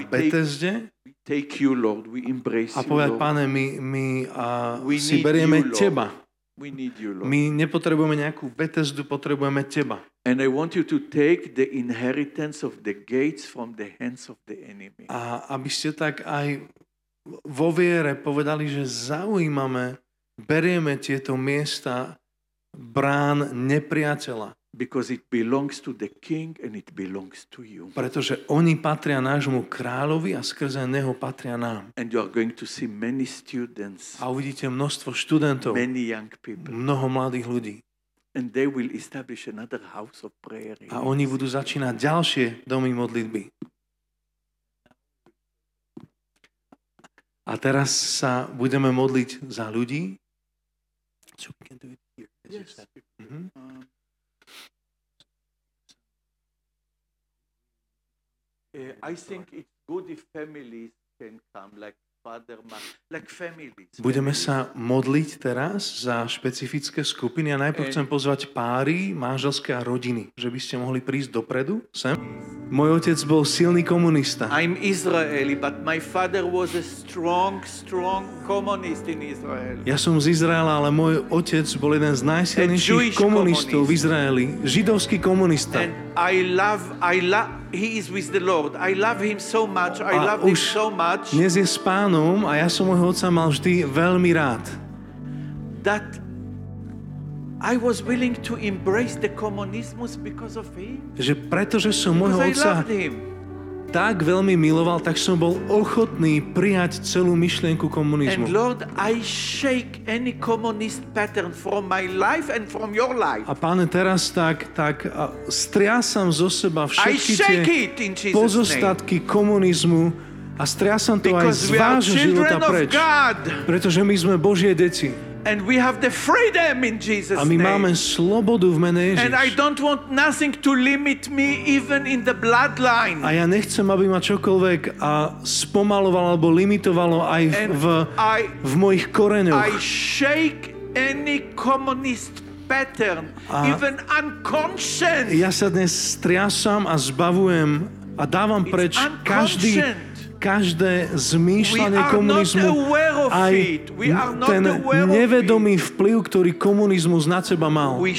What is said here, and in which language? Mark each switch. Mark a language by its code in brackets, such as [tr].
[sk] v Bethesde. [en] Take you, Lord. We embrace [sk] a povedať, [en] you, [sk] Pane, my si berieme [en] you, [sk] Teba. [en] We need you, Lord. [sk] My nepotrebujeme nejakú Bethesdu, potrebujeme Teba. [en] And I want you to take the inheritance of the gates from the hands of the enemy. [sk] A aby ste tak aj vo viere povedali, že zaujímame, berieme tieto miesta brán nepriateľa. [en] Because it belongs to the king and it belongs to you. [sk] Pretože oni patria nášmu kráľovi a skrze neho patria nám. [en] And you are going to see many students. [sk] A uvidíte množstvo študentov. [en] Many young people. [sk] Mnoho mladých ľudí. [en] And they will establish another house of prayer. [sk] A oni budú začínať ďalšie domy modlitby. A teraz sa budeme modliť za ľudí. [en] So we can do it here. Yes. I think it's good if families can come, like father, mom, like families. [sk] Budeme sa modliť teraz za špecifické skupiny a najprv chcem pozvať páry, manželské a rodiny, že by ste mohli prísť dopredu, sem. Môj otec bol silný komunista. [en] I'm Israeli, but my father was a strong communist in Israel. [sk] Ja som z Izraela, ale môj otec bol jeden z najsilnejších komunistov v Izraeli, židovský komunista. [en] And he is with the Lord. I love him so much. I love him so much. [sk] Dnes je s pánom a ja som môjho otca mal vždy veľmi rád. [en] That I was willing to embrace the communism because of him. [sk] Že pretože som môjho otca tak veľmi miloval, tak som bol ochotný prijať celú myšlienku komunizmu. [en] And Lord, I shake any communist pattern from my life and from your life. [sk] A Pane, teraz tak striasam zo seba všetky tie pozostatky komunizmu a striasam to [en] because [sk] aj z vášho života preč. Pretože my sme Božie deti. [en] And we have the freedom in Jesus' name. [sk] A my máme slobodu v mene Ježiš. [en] And I don't want nothing to limit me even in the bloodline. [sk] A ja nechcem, aby ma čokoľvek a spomalovalo alebo limitovalo aj v mojich koreňoch. [en] I shake any communist pattern, even unconscious. [sk] Ja sa dnes striasam a zbavujem A dávam preč každé zmýšľanie komunizmu, aj ten nevedomý vplyv, ktorý komunizmus na seba mal.